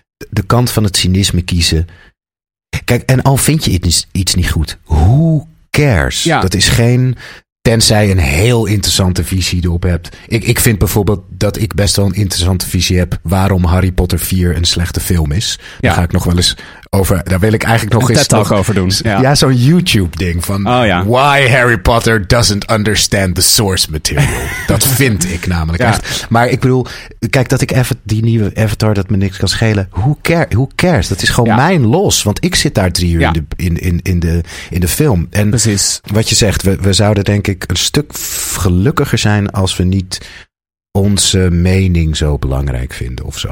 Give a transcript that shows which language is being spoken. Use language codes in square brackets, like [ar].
[nl] De kant van het cynisme kiezen. Kijk, en al vind je iets niet goed. [en] Who cares? [nl] Ja. Dat is geen... Tenzij een heel interessante visie erop hebt. Ik vind bijvoorbeeld dat ik best wel een interessante visie heb... waarom Harry Potter 4 een slechte film is. Ja. Daar ga ik nog wel eens over... Daar wil ik eigenlijk nog eens... TED-talk over doen. Ja, zo'n YouTube-ding van... Oh, ja. [en] Why Harry Potter doesn't understand the source material. [nl] Dat vind ik namelijk echt. Maar ik bedoel... Kijk, dat ik even die nieuwe Avatar, dat me niks kan schelen. [en] Who cares? [nl] Dat is gewoon mijn los. Want ik zit daar 3 uur in de film. En precies. Wat je zegt, we zouden denk ik een stuk gelukkiger zijn als we niet onze mening zo belangrijk vinden of zo.